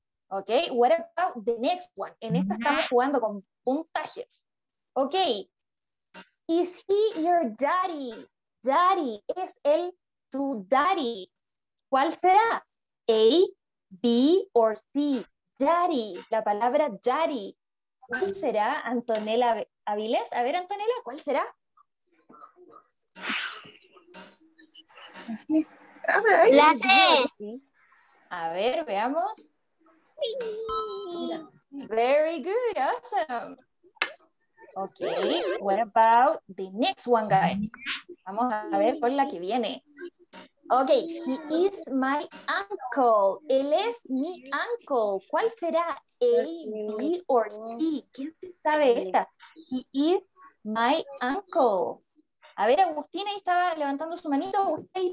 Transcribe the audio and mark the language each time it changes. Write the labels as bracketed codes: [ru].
[en] Ok, what about the next one? [es] En esta estamos jugando con puntajes. [en] Ok. Is he your daddy? [es] Daddy, ¿es él tu daddy? ¿Cuál será? [en] A, B or C? Daddy, [es] la palabra [en] daddy. [es] ¿Cuál será, Antonella Avilés? A ver, Antonella, ¿cuál será? La C. A ver, veamos. [en] Very good, awesome. Ok, what about the next one, guys? [es] Vamos a ver por la que viene. [en] Ok, he is my uncle. [es] Él es mi uncle. ¿Cuál será? [en] A, B or C? [es] ¿Quién se sabe esta? [en] He is my uncle. [es] A ver, Agustina ahí estaba levantando su manito.